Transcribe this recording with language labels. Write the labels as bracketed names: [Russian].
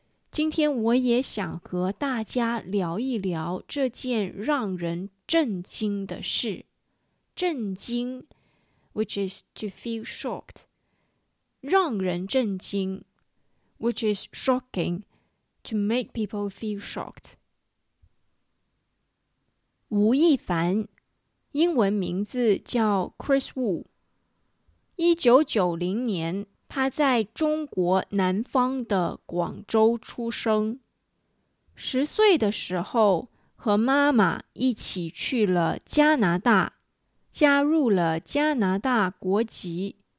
[Chinese] 今天我也想和大家聊一聊这件让人震惊的事。震惊 [English] which is to feel shocked， [Chinese] 让人震惊 [English] which is shocking， to make people feel shocked。 [Chinese] 吴亦凡英文名字叫 Chris Wu， 1990年他在中国南方的广州出生，十岁的时候和妈妈一起去了加拿大，加入了加拿大国籍。